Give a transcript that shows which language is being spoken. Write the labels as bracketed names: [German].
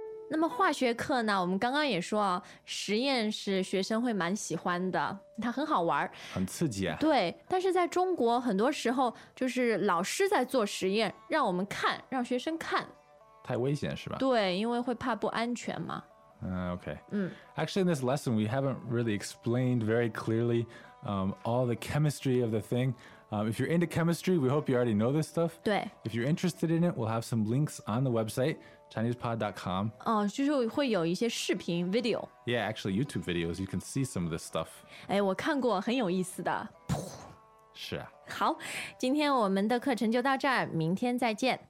[Chinese] 那么化学课呢，我们刚刚也说啊，实验是学生会蛮喜欢的，它很好玩，很刺激啊。对，但是在中国很多时候就是老师在做实验让我们看，让学生看，太危险是吧？对，因为会怕不安全嘛。 [English] Actually in this lesson we haven't really explained very clearly all the chemistry of the thing. If you're into chemistry, we hope you already know this stuff. [Chinese] 对， [English] if you're interested in it, we'll have some links on the website ChinesePod.com. [Chinese] 就是会有一些视频 video. [English] Yeah, actually YouTube videos, you can see some of this stuff. [Chinese] 哎，我看过，很有意思的。是啊。好，今天我们的课程就到这儿，明天再见。